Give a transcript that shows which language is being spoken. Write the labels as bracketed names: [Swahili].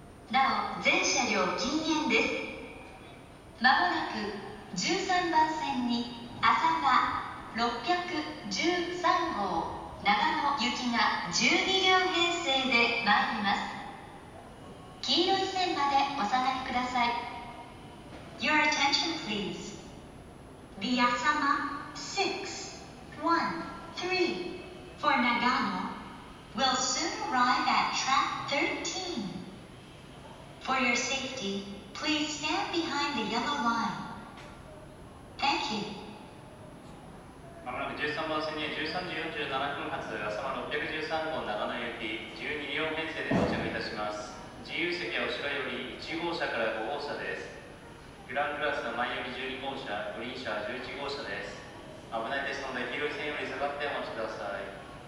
[Japanese] なお、全車両禁煙です。まもなく13番線に浅間613号長野行きが12両編成で参ります。黄色い線までお下がりください。 [English] Your attention, please. The 浅間613 for Nagano will soon arrive at track 13. For your safety, please stand behind the yellow line. Thank you. [Japanese] まもなく13番線に13時47分発浅間613号長野行き12両編成で到着いたします。自由席は後ろより1号車から5号車です。グランクラスの前より12号車、グリーン車は11号車です。危ないですので、黄色い線より下がってお待ちください。